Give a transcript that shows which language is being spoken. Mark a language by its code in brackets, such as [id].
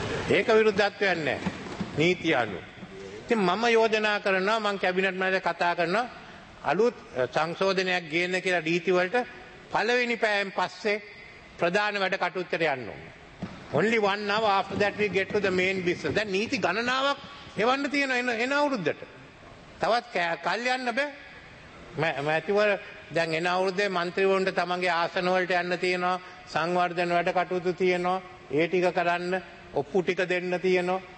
[si] ඒක විරුද්ධත්වයක් නැහැ. නීති අනුව. ඉතින් මම යෝජනා කරනවා මම කැබිනට් මැදට කතා කරනවා අලුත් සංශෝධනයක් ගේන්න කියලා ඩීටි වලට. පළවෙනි පෑයෙන් පස්සේ ප්‍රධාන වැඩ කටයුත්තට යන්න ඕනේ. [en] Only one hour after that we get to the main business. [si] දැන් නීති ගණනාවක් එවන්න තියෙන එන අවුරුද්දට. තවත් කල් යන්න බෑ. මැතිවර දැන් එන අවුරුද්දේ මන්ත්‍රීවරුන්ට තමන්ගේ ආසන වලට යන්න තියෙනවා. සංවර්ධන වැඩ කටයුතු තියෙනවා. ඒ ටික කරන්න ඔප්පු ටික දෙන්න තියෙනවා.